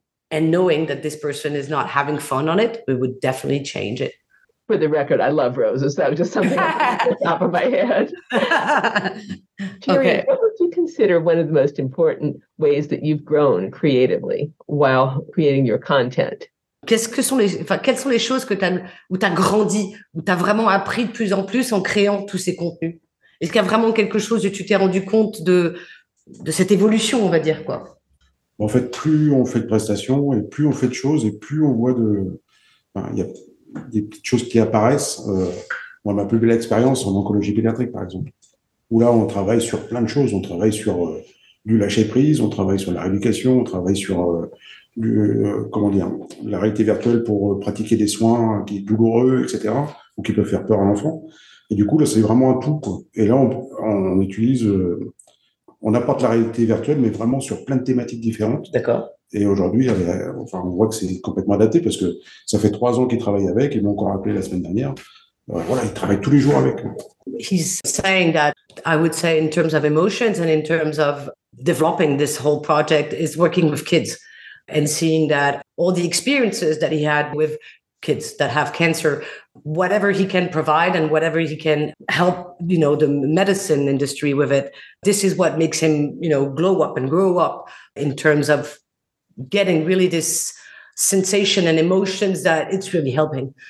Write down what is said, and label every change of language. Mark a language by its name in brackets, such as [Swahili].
[English] And knowing that this person is not having fun on it, we would definitely change it. For the record, I love roses. That was just something off the top of my head. Jerry, okay. What would you consider one of the most important ways that you've grown creatively while creating your content? [French] Quelles sont les choses que où t'as grandi, où t'as vraiment appris de plus en plus en créant tous ces contenus? Est-ce qu'il y a vraiment quelque chose où tu t'es rendu compte de cette évolution, on va dire, quoi? En fait, plus on fait de prestations et plus on fait de choses et plus on voit de, enfin, il y a des petites choses qui apparaissent. Moi, ma plus belle expérience en oncologie pédiatrique, par exemple, où là, on travaille sur plein de choses. On travaille sur du lâcher prise, on travaille sur la rééducation, on travaille sur la réalité virtuelle pour pratiquer des soins qui est douloureux, etc., ou qui peuvent faire peur à l'enfant. Et du coup, là, c'est vraiment un tout, quoi. Et là, on utilise. On apporte la réalité virtuelle, mais vraiment sur plein de thématiques différentes. D'accord. Et aujourd'hui, enfin, on voit que c'est complètement adapté parce que ça fait 3 ans qu'ils travaillent avec. Ils m'ont encore appelé la semaine dernière. Voilà, ils travaillent tous les jours avec. [English] He's saying that I would say in terms of emotions and in terms of developing this whole project is working with kids and seeing that all the experiences that he had with kids that have cancer, whatever he can provide and whatever he can help, you know, the medicine industry with it, this is what makes him, you know, glow up and grow up in terms of getting really this sensation and emotions that it's really helping.